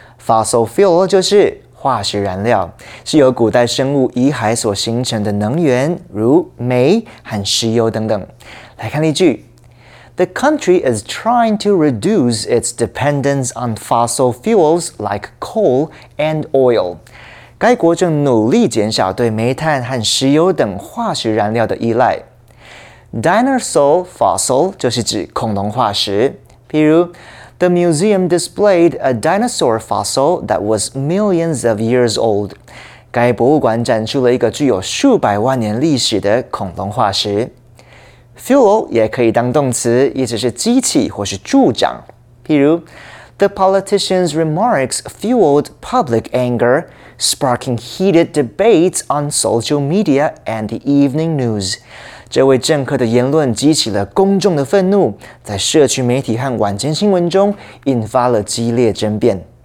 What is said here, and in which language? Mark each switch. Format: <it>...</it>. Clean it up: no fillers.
<zh>Fossil fuel 就是化石燃料，是由古代生物遗骸所形成的能源，如煤和石油等等。来看例句。</zh> <en>The country is trying to reduce its dependence on fossil fuels like coal and oil.</en> <zh>该国正努力减少对煤炭和石油等化石燃料的依赖。 Dinosaur fossil 就是指恐龙化石。譬如</zh> <en>,The museum displayed a dinosaur fossil that was millions of years old.</en> <zh>该博物馆展出了一个具有数百万年历史的恐龙化石。 Fuel 也可以当动词，意思是机器或是助长。譬如</zh> <en>The politician's remarks fueled public anger, sparking heated debates on social media and the evening news.</en> <zh>这位政客的言论激起了公众的愤怒，在社区媒体和晚间新闻中引发了激烈争辩。</zh>